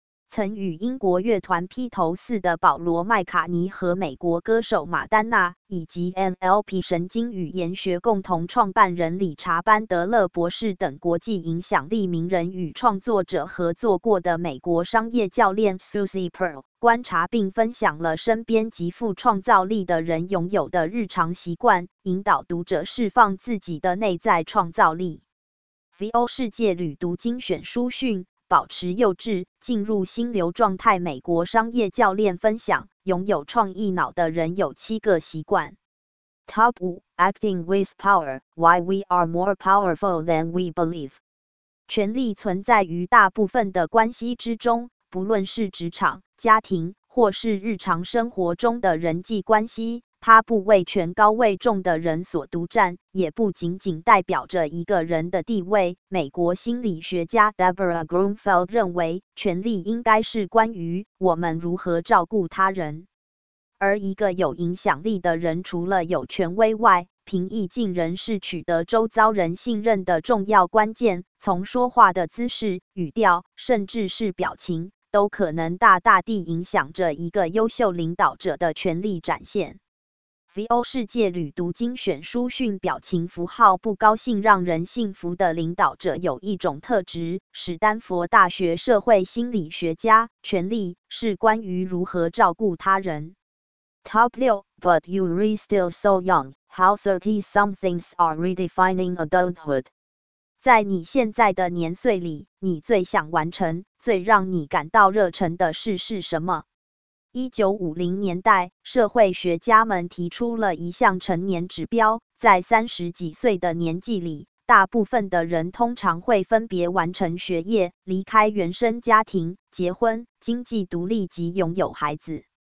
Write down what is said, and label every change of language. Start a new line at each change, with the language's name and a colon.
Chinese: 曾与英国乐团披头四的保罗·麦卡尼和美国歌手马丹娜以及 NLP 神经语言学共同创办人理查·班德勒博士等国际影响力名人与创作者合作过的美国商业教练 Susie Pearl 观察并分享了身边极富创造力的人拥有的日常习惯，引导读者释放自己的内在创造力。 VO 世界旅读精选书讯，保持幼稚，进入心流状态。美国商业教练分享，拥有创意脑的人有七个习惯。Top 5,
English: Acting with power, why we are more powerful than we believe.
Chinese: 权力存在于大部分的关系之中，不论是职场、家庭，或是日常生活中的人际关系。它不为权高位重的人所独占，也不仅仅代表着一个人的地位。美国心理学家 Deborah Grunfeld 认为，权力应该是关于我们如何照顾他人。而一个有影响力的人除了有权威外，平易近人是取得周遭人信任的重要关键。从说话的姿势、语调，甚至是表情，都可能大大地影响着一个优秀领导者的权力展现。 VO 世界旅读精选书讯：表情符号不高兴让人信服的领导者有一种特质。史丹佛大学社会心理学家，权力是关于如何照顾他人。
English: Top 6, But you're still so young, how 30-somethings are redefining adulthood.
Chinese: 在你现在的年岁里，你最想完成、最让你感到热忱的事是什么？ 1950年代，社会学家们提出了一项成年指标，在三十几岁的年纪里，大部分的人通常会分别完成学业、离开原生家庭、结婚、经济独立及拥有孩子。